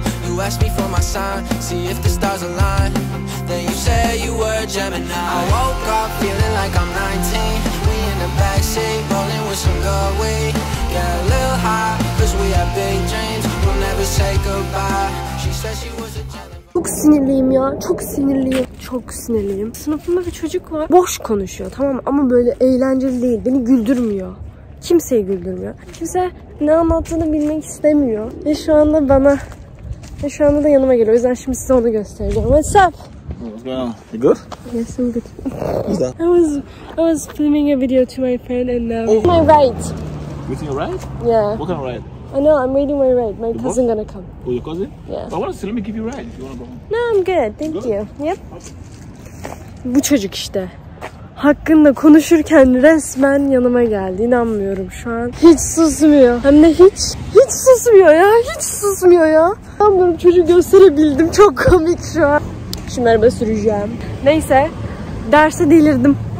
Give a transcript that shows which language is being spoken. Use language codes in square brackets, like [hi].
[en] You asked me for my sign. See if the stars align. Then you say you were Gemini. I woke up feeling like I'm 19. We in the backseat, rolling with some good weed. Get a little high, cause we have big dreams. We'll never say goodbye. She said she was a Gemini. [tr] Çok sinirliyim ya. Çok sinirliyim. Çok sinirliyim. Sınıfımda bir çocuk var. Boş konuşuyor, tamam mı? Ama böyle eğlenceli değil. Beni güldürmüyor. Ki kimseyi güldürmüyor. Kimse ne anlattığını bilmek istemiyor. Ve şu anda bana, ve şu anda da yanıma geliyor. O yüzden şimdi size onu göstereceğim. [en] What's up? What's going on? You good? Yes, I'm good. I was filming a video to my friend and now... With my ride. With your ride? Yeah. What kind of ride? I know, I'm waiting my ride. My cousin gonna come. Oh, your cousin? Yeah. I wanna see, let me give you a ride if you wanna go home. No, I'm good. Thank you. Yep. [tr] Bu çocuk işte. Hakkında konuşurken resmen yanıma geldi. İnanmıyorum şu an. Hiç susmuyor. Hem de hiç. Hiç susmuyor ya. Hiç susmuyor ya. İnanmıyorum, çocuğu gösterebildim. Çok komik şu an. Şimdi araba süreceğim. Neyse. Derse delirdim.